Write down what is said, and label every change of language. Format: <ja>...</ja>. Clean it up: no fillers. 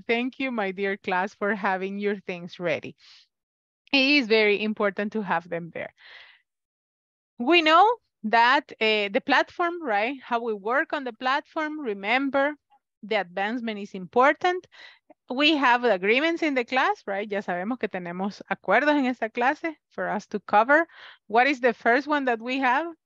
<en>Thank you, my dear class, for having your things ready. It is very important to have them there. We know that the platform, right? How we work on the platform, remember the advancement is important. We have agreements in the class, right?</en> <es>Ya sabemos que tenemos acuerdos en esta clase</es> <en>for us to cover. What is the first one that we have?</en>